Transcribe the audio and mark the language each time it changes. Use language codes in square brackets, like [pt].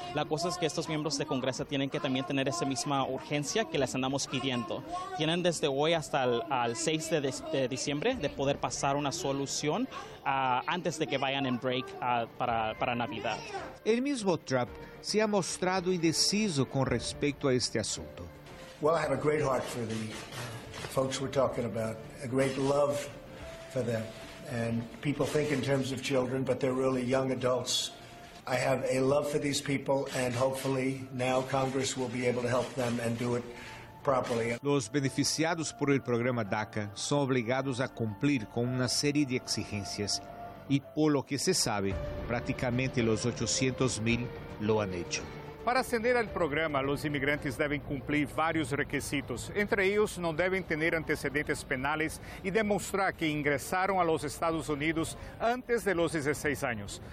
[es] La cosa es que estos miembros de Congreso tienen que también tener esa misma urgencia que les andamos pidiendo. Tienen desde hoy hasta el 6 de diciembre de poder pasar una solución antes de que vayan en break para Navidad. El mismo Trump se ha mostrado indeciso con respecto a este asunto. [en] Well, I have a great heart for the folks we're talking about, a great love for them. And people think in terms of children, but they're really young adults. I have a love for these people, and hopefully now Congress will be able to help them and do it properly. [es] Los beneficiados por el programa DACA son obligados a cumplir con una serie de exigencias, y por lo que se sabe, prácticamente los 800 mil lo han hecho. Para acceder al programa, los inmigrantes deben cumplir varios requisitos. Entre ellos, no deben tener antecedentes penales y demostrar que ingresaron a los Estados Unidos antes de los 16 años.